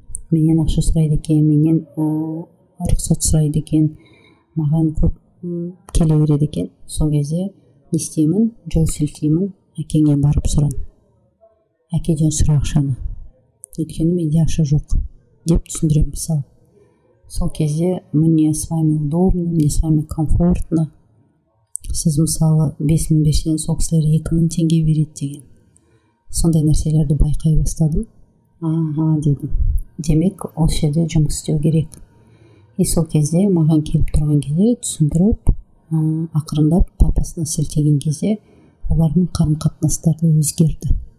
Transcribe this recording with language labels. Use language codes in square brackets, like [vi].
[kk] Менен ақша сұрайды екен, менен рұқсат сұрайды екен. Маған көп келе береді екен. Сол кезде не істеймін, жол сілтеймін, әкеңе барып сұрам. Әкеден сұра ақшаны. Өйткені менде ақша жоқ, деп түсіндірем мысалы. Сол кезде [ru] мне с вами удобно, мне с вами комфортно. [kk] Сіз мысалы 5000 берсеңіз, сол кісілер 2000 теңге береді деген. Сондай нәрселерді байқай бастадым. Аха, дедім. Демек, осы жерде жұмыс істеу керек. И сол кезде маған келіп тұрған кезде түсіндіріп, ақырындап папасына сілтеген кезде олардың қарым-қатынастары өзгерді.